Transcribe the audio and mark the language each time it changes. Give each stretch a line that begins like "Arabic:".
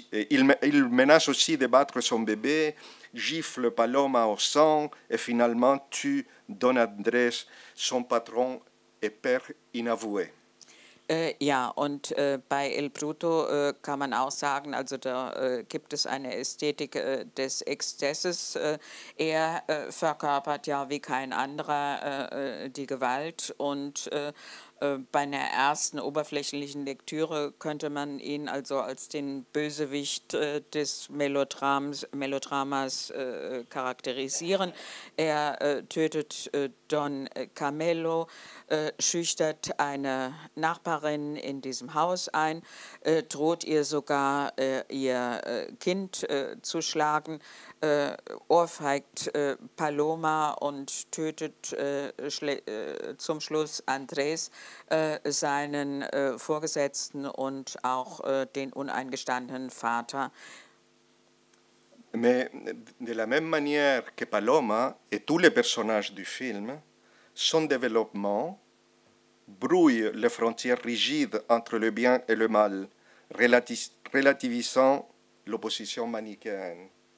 French: il menace aussi de battre son bébé, gifle Paloma au sang et finalement tue Don Andrés, son patron et père inavoué.
German: Ja, und bei El Bruto kann man auch sagen, also da gibt es eine Ästhetik des Exzesses. Er verkörpert ja wie kein anderer die Gewalt und bei einer ersten oberflächlichen Lektüre könnte man ihn also als den Bösewicht des Melodramas charakterisieren. Er tötet Don Carmelo, schüchtert eine Nachbarin in diesem Haus ein, droht ihr sogar, ihr Kind zu schlagen, ohrfeigt Paloma und tötet zum Schluss Andrés, seinen Vorgesetzten und auch den uneingestandenen Vater.
French: Mais de la même manière que Paloma et tous les personnages du film, son développement brouille les frontières rigides entre le bien et le mal, relativisant l'opposition manichéenne.